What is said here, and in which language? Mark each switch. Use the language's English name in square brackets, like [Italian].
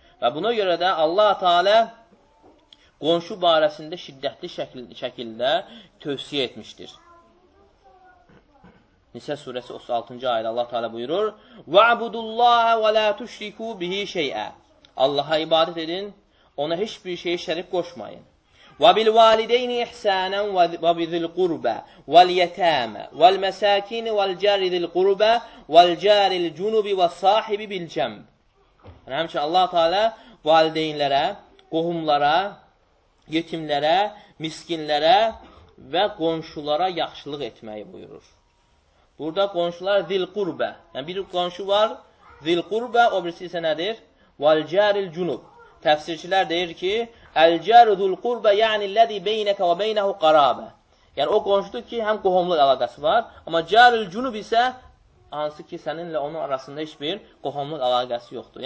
[Azerbaijani] Və buna görə də Allah-u Teala qonşu barəsində şiddətli şəkildə tövsiyə etmişdir. Nisa surəsi 36-cı ayda Allah-u Teala buyurur [Arabic] وَعْبُدُ اللّٰهَ وَلَا تُشْرِكُوا بِهِ شَيْئًا [Azerbaijani] Allaha ibadət edin, ona heç bir şeyi şərik qoşmayın. [Arabic] وَبِالْوَالِدَيْنِ اِحْسَانًا وَبِذِ الْقُرْبَ وَالْيَتَامَ وَالْمَسَاكِينِ وَالْجَارِ ذِ الْقُرْبَ وَالْجَارِ الْجُنُوبِ وَالصَّاحِبِ بِالْجَمْبِ [Azerbaijani] Həmçin Allah-u Teala valideynlərə, qohumlara, yetimlərə, miskinlərə və qonşulara yaxşılıq etməyi buyurur. Burada qonşular zilqurbə. Yəni, bir qonşu var, zilqurbə, o birisi isə nədir? Valcəril cunub. Təfsirçilər deyir ki, [Arabic] əlcəru zilqurbə, [Azerbaijani] yəni [Arabic] ləzi beynəkə və beynəhu qarabə. [Azerbaijani] Yəni, o qonşudur ki, həm qohumluq əlaqəsi var, amma cəril cunub isə hansı ki, səninlə onun arasında heç bir qohumluq əlaqəsi yoxdur.